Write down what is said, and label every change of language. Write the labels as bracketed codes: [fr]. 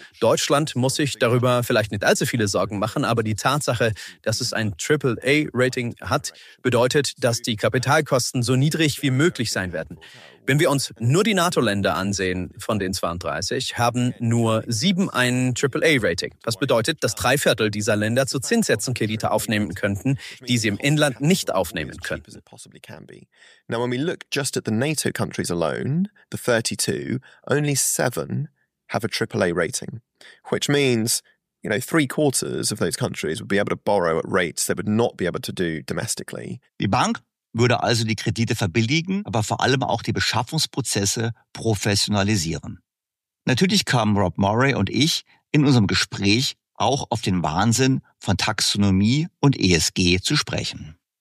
[de] Deutschland muss sich darüber vielleicht nicht allzu viele Sorgen machen, aber die Tatsache, dass es ein AAA-Rating hat, bedeutet, dass die Kapitalkosten so niedrig wie möglich sein werden. Wenn wir uns nur die NATO-Länder ansehen von den 32, haben nur 7 ein AAA-Rating. Was bedeutet, dass 3/4 dieser Länder zu Zinssätzen Kredite aufnehmen könnten, die sie im Inland nicht aufnehmen könnten. [en] Now when we look just at the NATO countries alone, the 32, only 7 have a AAA-Rating, which means, you know, 3/4 of those countries would be able to borrow at rates they would not be able to do domestically. [de] Die Bank würde also die Kredite verbilligen, aber vor allem auch die Beschaffungsprozesse professionalisieren. Natürlich kamen Rob Murray und ich in unserem Gespräch auch auf den Wahnsinn von Taxonomie und ESG zu sprechen.